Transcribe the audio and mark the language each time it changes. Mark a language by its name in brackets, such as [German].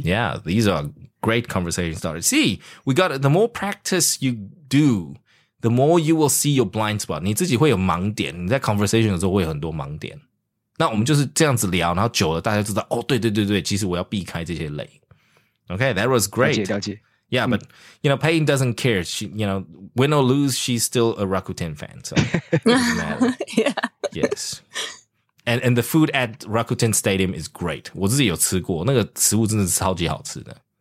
[English] Yeah, these are great conversation starters. See, we got it. The more practice you do. The more you will see your blind spot, [Chinese] 你自己会有盲点，你在 conversation 的时候会有很多盲点。那我们就是这样子聊，然后久了大家就知道，哦，对对对对，其实我要避开这些雷。 [English] Okay, that was great. [Chinese] 了解，了解。 [English] Yeah, but, you know, Payne doesn't care. She, you know, win or lose, she's still a Rakuten fan. So, yeah. Yes. And the food at Rakuten Stadium is great. [Chinese] 我自己有吃过，那个食物真的是超级好吃的。